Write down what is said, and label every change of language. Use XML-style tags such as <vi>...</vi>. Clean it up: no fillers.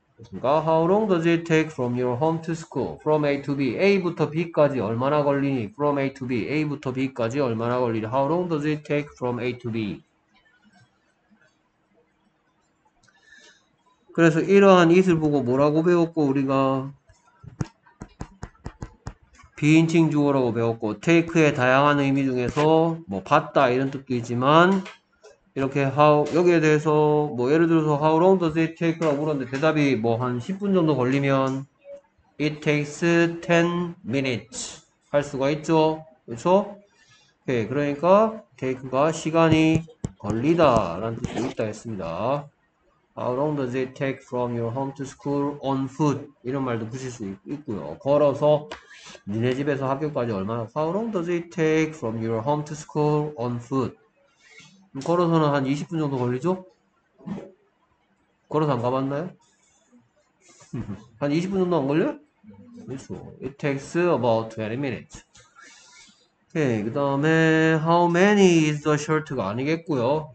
<ko>그러니까</ko> <en>How long does it take from your home to school? From A to B.</en> <ko>A부터 B까지 얼마나 걸리니?</ko> <en>From A to B.</en> <ko>A부터 B까지 얼마나 걸리니?</ko> <en>How long does it take from A to B?</en> <ko>그래서 이러한 it을 보고 뭐라고 배웠고, 우리가 비인칭 주어라고 배웠고, take의 다양한 의미 중에서, 뭐, 봤다, 이런 뜻도 있지만, 이렇게 how, 여기에 대해서, 뭐, 예를 들어서,</ko> <en>how long does it take</en> <ko>라고 물었는데, 대답이 뭐, 한 10분 정도 걸리면,</ko> <en>it takes 10 minutes.</en> <ko>할 수가 있죠. 그렇죠? 예, 그러니까, take가 시간이 걸리다, 라는 뜻도 있다 했습니다.</ko> <en>How long does it take from your home to school on foot?</en> <ko>이런 말도 붙일 수 있고요. 걸어서 니네 집에서 학교까지 얼마나?</ko> <en>How long does it take from your home to school on foot?</en> <ko>걸어서는 한 20분 정도 걸리죠? 걸어서 안 가봤나요? 한 20분 정도 안 걸려요? 그렇죠.</ko> <en>It takes about 20 minutes.</en> <ko>오케이, 그 다음에</ko> <en>How many is the shirt가</en> <ko>아니겠고요.</ko>